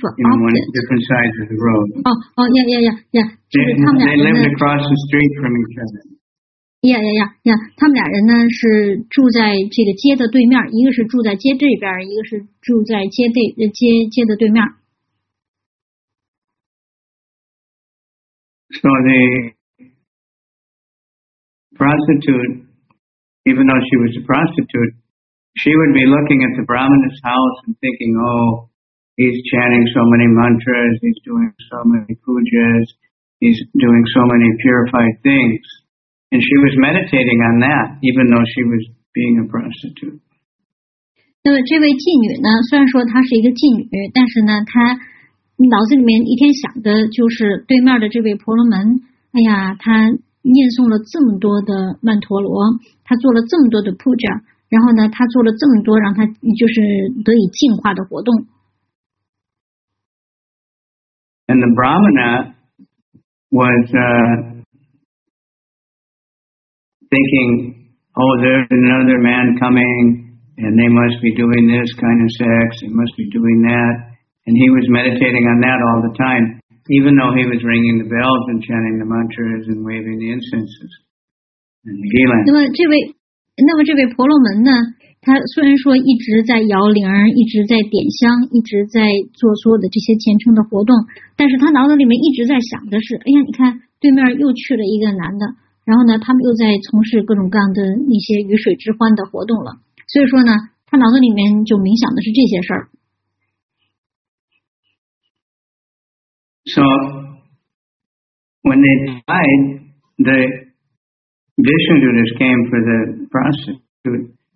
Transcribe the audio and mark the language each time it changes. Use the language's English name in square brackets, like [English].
[English] on different sides of the road. They lived across the street from each other. [Chinese] 他们俩人呢是住在这个街的对面，一个是住在街这边，一个是住在街的对面。 [English] So the prostitute, even though she was a prostitute, she would be looking at the Brahmana's house and thinking, oh, he's chanting so many mantras, he's doing so many pujas, he's doing so many purified things. And she was meditating on that, even though she was being a prostitute. [Chinese] 那么这位妓女呢？虽然说她是一个妓女，但是呢，她脑子里面一天想的就是对面的这位婆罗门。哎呀，她念诵了这么多的曼陀罗，她做了这么多的 puja， 然后呢，她做了这么多让她就是得以净化的活动。 [English] And the brahmana was. Thinking, oh, there's another man coming, and they must be doing this kind of sex, they must be doing that. And he was meditating on that all the time, even though he was ringing the bells and chanting the mantras and waving the incenses. And the Gila. [Chinese] 那么这位婆罗门呢，他虽然说一直在摇铃，一直在点香，一直在做所有的这些虔诚的活动，但是他脑子里面一直在想的是，哎呀，你看，对面又去了一个男的。然后呢，他们又在从事各种各样的那些鱼水之欢的活动了。所以说呢，他脑子里面就冥想的是这些事儿。 [English] So when they died, the Vishnudas came for the prostitute.